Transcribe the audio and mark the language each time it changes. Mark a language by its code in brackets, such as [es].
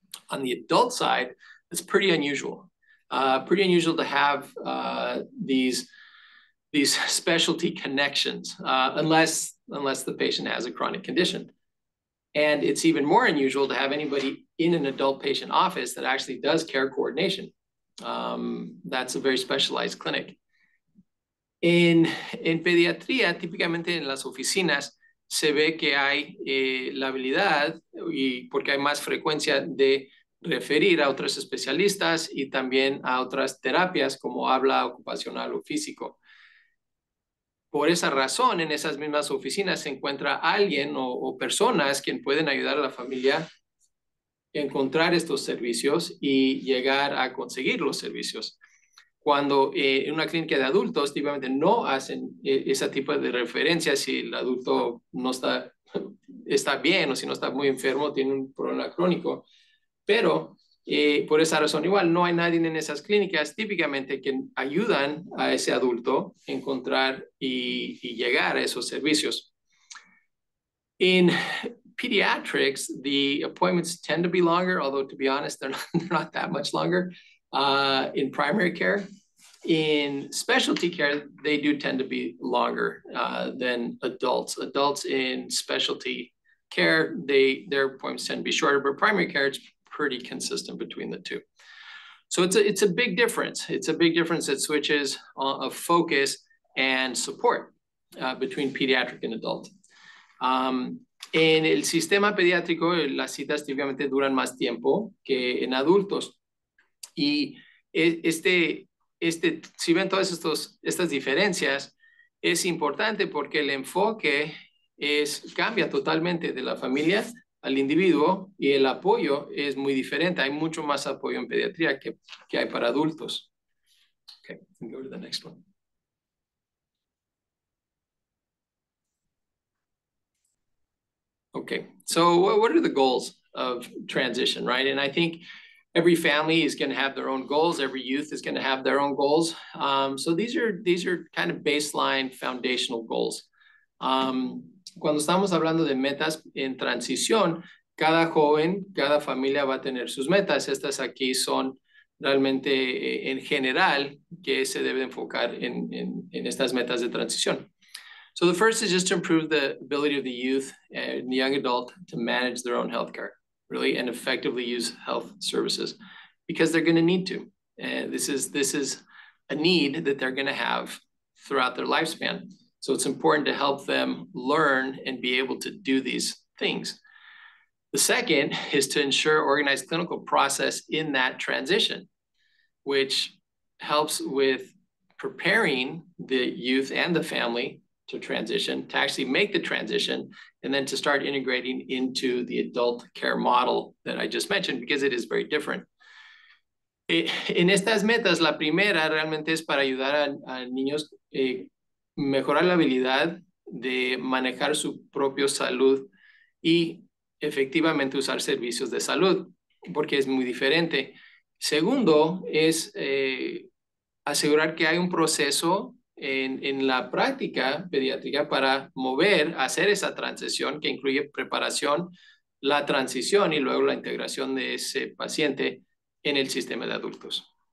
[en] On the adult side, it's pretty unusual. Pretty unusual to have these specialty connections, unless the patient has a chronic condition. And it's even more unusual to have anybody in an adult patient office that actually does care coordination. That's a very specialized clinic. [es] In pediatría, típicamente en las oficinas, se ve que hay la habilidad y porque hay más frecuencia de referir a otros especialistas y también a otras terapias como habla, ocupacional o físico. Por esa razón, en esas mismas oficinas se encuentra alguien o personas quien pueden ayudar a la familia a encontrar estos servicios y llegar a conseguir los servicios. Cuando en una clínica de adultos, típicamente no hacen ese tipo de referencia si el adulto no está bien o si no está muy enfermo, tiene un problema crónico. Pero por esa razón, igual no hay nadie en esas clínicas típicamente que ayudan a ese adulto a encontrar y llegar a esos servicios. [en] In pediatrics, the appointments tend to be longer, although to be honest, they're not that much longer. In primary care, in specialty care, they do tend to be longer than adults. Adults in specialty care, their appointments tend to be shorter, but primary care, it's pretty consistent between the two. So it's a big difference. It's a big difference that switches of focus and support between pediatric and adult. [es] En el sistema pediátrico, las citas típicamente duran más tiempo que en adultos. Y si ven todas estas diferencias, es importante porque el enfoque cambia totalmente de la familia al individuo y el apoyo es muy diferente. Hay mucho más apoyo en pediatría que hay para adultos. [en] Okay, go to the next one. Okay, so what are the goals of transition, right? And I think Every family is going to have their own goals. Every youth is going to have their own goals. So these are kind of baseline foundational goals. [es] Cuando estamos hablando de metas en transición, cada joven, cada familia va a tener sus metas. Estas aquí son realmente en general que se debe enfocar en estas metas de transición. [en] So the first is just to improve the ability of the youth and the young adult to manage their own healthcare. Really, and effectively use health services because they're going to need to. And this is a need that they're going to have throughout their lifespan. So it's important to help them learn and be able to do these things. The second is to ensure organized clinical process in that transition, which helps with preparing the youth and the family to transition, to actually make the transition, and then to start integrating into the adult care model that I just mentioned, because it is very different. [es] En estas metas, la primera realmente es para ayudar a niños mejorar la habilidad de manejar su propia salud y efectivamente usar servicios de salud, porque es muy diferente. Segundo es asegurar que hay un proceso en la práctica pediátrica para mover, hacer esa transición que incluye preparación, la transición y luego la integración de ese paciente en el sistema de adultos.